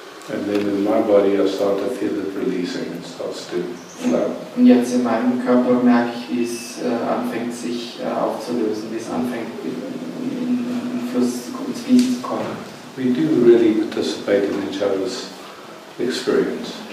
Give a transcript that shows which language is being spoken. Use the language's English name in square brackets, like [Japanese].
[English] And then in my body I start to feel it releasing and starts to flow. [German] Und jetzt in meinem Körper merke ich, wie es anfängt sich aufzulösen, wie es anfängt in Fluss ins Fließen zu kommen. [English] We do really participate in each other's experience.